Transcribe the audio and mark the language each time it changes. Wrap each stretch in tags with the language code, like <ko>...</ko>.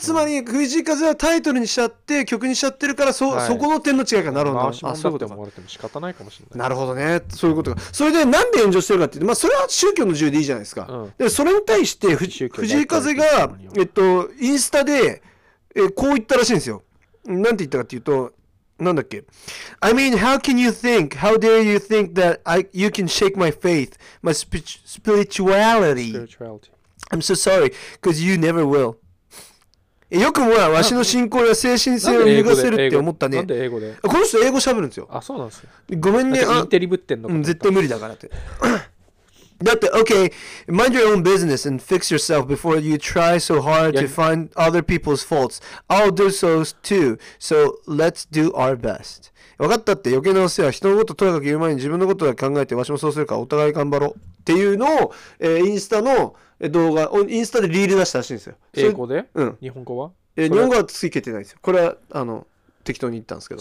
<ja>つまり藤井風はタイトルにしちゃって曲にしちゃってるから はい、そこの点の違いかなるほど。回しもんだと思われても仕方ないかもしれない。なるほどね、そういうことか。それでなんで炎上してるかっていうと、まあ、それは宗教の自由でいいじゃないですか、うん、でそれに対して藤井風が、インスタで、こう言ったらしいんですよ。なんて言ったかっていうと、なんだっけ、</ja> <en>I mean how can you think, how dare you think that you can shake my faith, my spirituality, I'm so sorry, because you never will.</en> <ja>よくもわしの信仰や精神性を脱がせるって思ったね。なんで英語で？この人英語喋るんですよ。あ、そうなんですよ。ごめんね。インテリぶってんのか。絶対無理だからって。だって、</ja> <en>okay, mind your own business and fix yourself before you try so hard to find other people's faults. I'll do so too. So let's do our best.</en> <ja>分かったって、余計なお世話、人のこととにかく言う前に自分のことだけ考えて、わしもそうするからお互い頑張ろうっていうのを、インスタの動画をインスタでリール出したらしいんですよ。英語で、うん、日本語は、日本語はついけてないんですよ。これはあの適当に言ったんですけど。</ja>